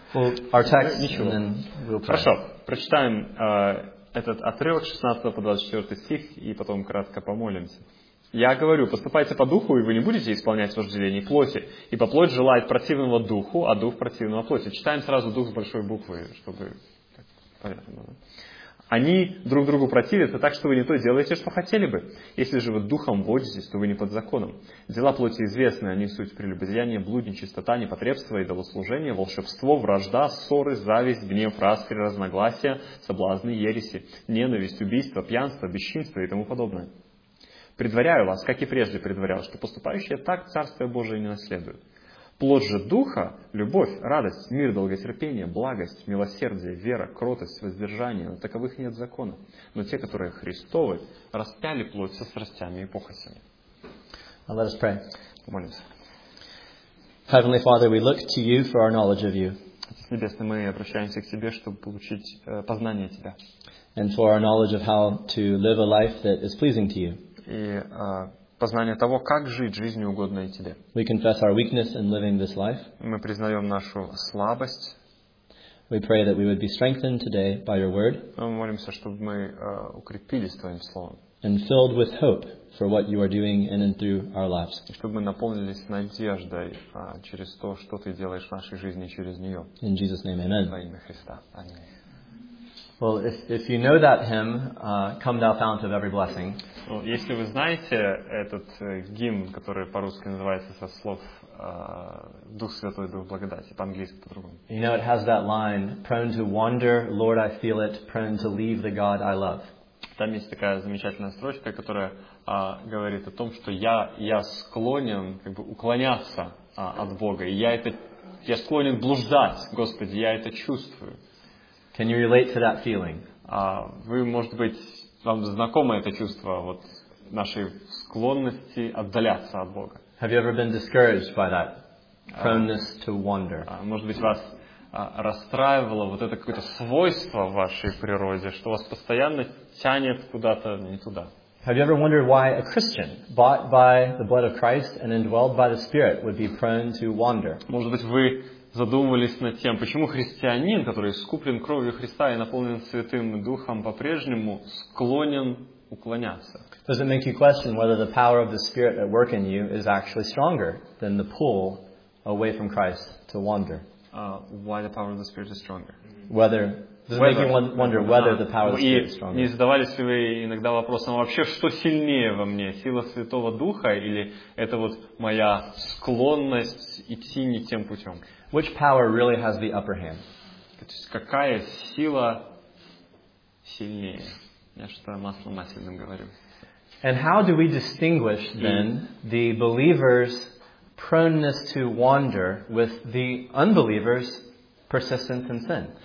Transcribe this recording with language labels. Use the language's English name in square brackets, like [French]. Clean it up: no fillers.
[English] Well, our text, and then we'll pray. [Russian] Хорошо. Прочитаем этот отрывок 16 по 24 стих, и потом кратко помолимся. «Я говорю, поступайте по духу, и вы не будете исполнять вожделение плоти, ибо плоть желает противного духу, а дух противного плоти». Читаем сразу дух с большой буквы, чтобы... Они друг другу противятся так, что вы не то делаете, что хотели бы. Если же вы духом водитесь, то вы не под законом. Дела плоти известны, они суть прелюбодеяния, блуд, нечистота, непотребство, идолослужение, волшебство, вражда, ссоры, зависть, гнев, распри, разногласия, соблазны, ереси, ненависть, убийство, пьянство, бесчинство и тому подобное. Предваряю вас, как и прежде предварял, что поступающие так Царствие Божие не наследуют. Плод же Духа – любовь, радость, мир, долготерпение, благость, милосердие, вера, кротость, воздержание. На таковых нет закона. Но те, которые Христовы, распяли плоть со страстями и похотями. [English] Let us pray. [Russian] Помолимся. [English] Heavenly Father, we look to you for our knowledge of you. [Russian] Отец Небесный, мы обращаемся к Тебе, чтобы получить познание Тебя. [English] And for our knowledge of how to live a life that is pleasing to you. [Russian] И... познание того, как жить жизнью угодной Тебе. [English] We confess our weakness in living this life. [Russian] Мы признаем нашу слабость. [English] We pray that we would be strengthened today by your word. [Russian] Мы молимся, чтобы мы укрепились Твоим словом. [English] And filled with hope for what you are doing in and through our lives. [Russian] И чтобы мы наполнились надеждой через то, что Ты делаешь в нашей жизни через нее. [English] In Jesus' name, amen. [Russian] Во имя Христа. Аминь. [English] Well, if you know that hymn, "Come Thou Fount of Every Blessing." [Russian] Well, если вы знаете этот гимн, который по-русски называется со слов "Дух Святой, Дух Благодати", по-английски по-другому. [English] You know, it has that line, "Prone to wander, Lord, I feel it; prone to leave the God I love." [Russian] Там есть такая замечательная строчка, которая говорит о том, что я склонен как бы уклоняться от Бога, и я склонен блуждать, Господи, я это чувствую. [English] Can you relate to that feeling? [Russian] Вы, может быть, вам знакомо это чувство вот нашей склонности отдаляться от Бога. [English] Have you ever been discouraged by that proneness to wander? [Russian] Может быть, вас расстраивало вот это какое-то свойство в вашей природе, что вас постоянно тянет куда-то не туда? [English] Have you ever wondered why a Christian, bought by the blood of Christ and indwelled by the Spirit, would be prone to wander? [Russian] Может быть, вы задумывались над тем, почему христианин, который искуплен кровью Христа и наполнен Святым Духом, по-прежнему склонен уклоняться? [English] Does it make you question whether the power of the Spirit at work in you is actually stronger than the pull away from Christ to wander? Why the power of the Spirit is stronger? Does it make you wonder whether the power of the Spirit is stronger? [Russian] Не задавались ли вы иногда вопросом, вообще что сильнее во мне, сила Святого Духа или это вот моя склонность идти не тем путем? [English] Which power really has the upper hand? [Russian] Какая сила сильнее? Я что-то маслом масляным говорю. [English] And how do we distinguish then the believers' proneness to wander with the unbelievers' persistence in sin?